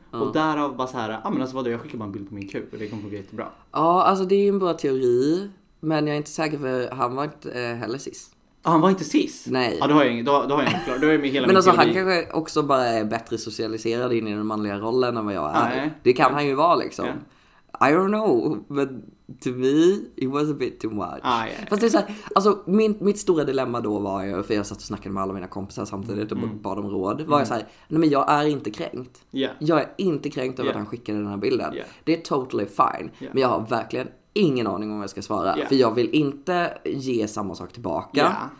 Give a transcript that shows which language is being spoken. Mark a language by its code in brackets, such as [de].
[sv] Och därav bara såhär, ah, men alltså vadå, jag skickar bara en bild på min kuk och det kommer att bli jättebra. Ja, alltså det är ju en bra teori. Men jag är inte säker, för han var inte heller cis. Han var inte cis? Nej. Ja, då har jag inte klart. Då är jag med hela men alltså teori. Han kanske också bara är bättre socialiserad in i den manliga rollen än vad jag är. Det kan han ju vara liksom. [en] I don't know, but to me it was a bit too much. [sv] Fast det är så här, alltså mitt stora dilemma då var ju, för jag satt och snackade med alla mina kompisar samtidigt och bad om råd, var jag så här, nej men jag är inte kränkt. Jag är inte kränkt över att han skickade den här bilden. Det är totally fine. Men jag har verkligen ingen aning om vad jag ska svara. För jag vill inte ge samma sak tillbaka.